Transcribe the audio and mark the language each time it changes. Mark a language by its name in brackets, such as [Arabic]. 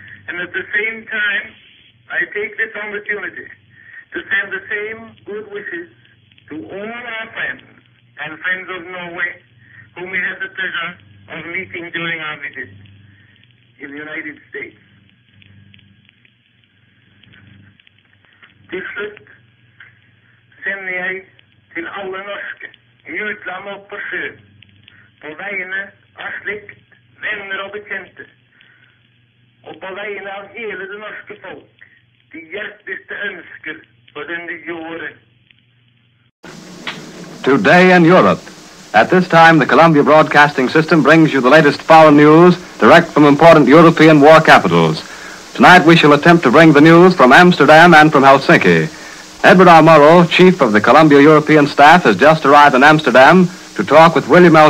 [English] And at the same time, I take this opportunity to send the same good wishes to all our friends and friends of Norway whom we had the pleasure of meeting during our visit in the United States. [Norwegian] Til slutt sender jeg til alle norske I utlandet og på sjøen, på vegne av slekt, venner og bekjente, og på vegne av hele det norske folk, de hjerteligste ønsker for den nye året. [English] Today in Europe. At this time, the Columbia Broadcasting System brings you the latest foreign news direct from important European war capitals. Tonight, we shall attempt to bring the news from Amsterdam and from Helsinki. Edward R. Murrow, chief of the Columbia European staff, has just arrived in Amsterdam to talk with William L.